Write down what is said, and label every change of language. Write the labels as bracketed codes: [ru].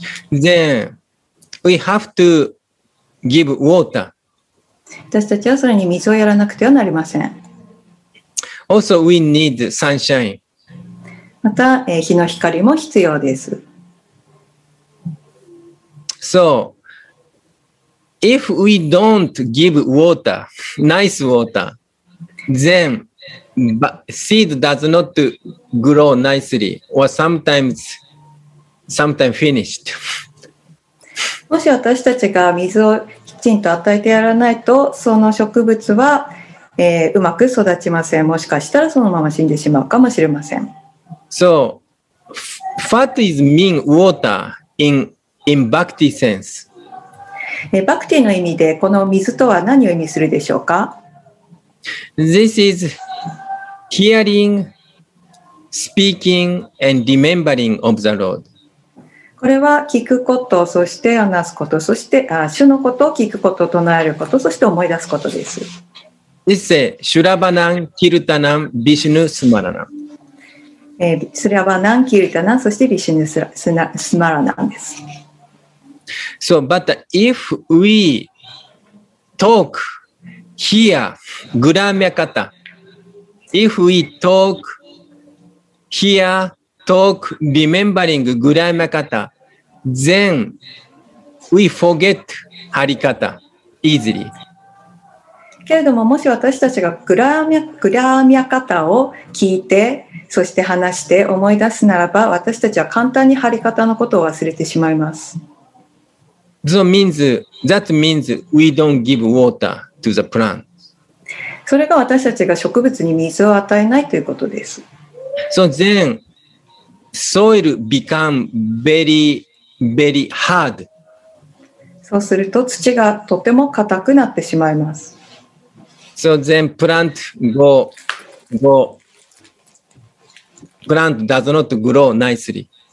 [en] then we have to give water. [ja] 私たちはそれに水をやらなくてはなりません。 [en] Also, we need sunshine. [ja] また、日の光も必要です。 [en] So,If we don't give water, nice water, then seed does not grow nicely or sometimes finished. [ja] もし私たちが水をきちんと与えてやらないと、その植物は、うまく育ちません。もしかしたらそのまま死んでしまうかもしれません。 [en] So, what is mean water in bhakti sense? [ja] バクティの意味でこの水とは何を意味するでしょうか? [en] This is hearing, speaking, and remembering of the Lord. [ja] これは聞くこと、そして話すこと、そして主のことを聞くこと、唱えること、そして思い出すことです。 [en] This is Shurabhanam, Kirtanam, Vishnu, Smaranam. [ja] Shurabhanam, Kirtanam, そして Vishnu, Smaranam です。 [en] So, but if we talk, hear, gramya kata, if we talk, hear, talk, remembering gramya kata, then we forget harikata easily. [ja] けれども、もし私たちがgramya kataを聞いて、そして話して思い出すならば、私たちは簡単にharikataのことを忘れてしまいます。 [en] That means we don't give water to the plant. [ja] それが私たちが植物に水を与えないということです。 [en] So then, soil become very, very hard. [ja] そうすると土がとても硬くなってしまいます。 [en] So then, plant does not grow nicely.